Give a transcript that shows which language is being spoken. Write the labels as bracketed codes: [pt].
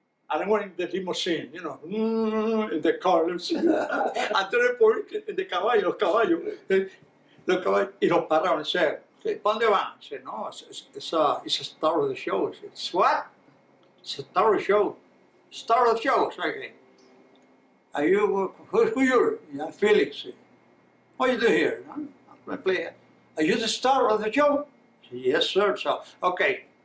[en] And I went in the limousine, you know, in the car. And then I put it in the caballo, los caballos. [es] los caballos, y los pararon, y dice, ¿para dónde van? [en] Y dice, no, it's a star of the show. Y dice, what? It's a star of the show. Star of the show, say again. Are you, who are you? Yeah, Felix. What are you doing here? I'm going to play. Are you the star of the show? Say, yes, sir. So, okay.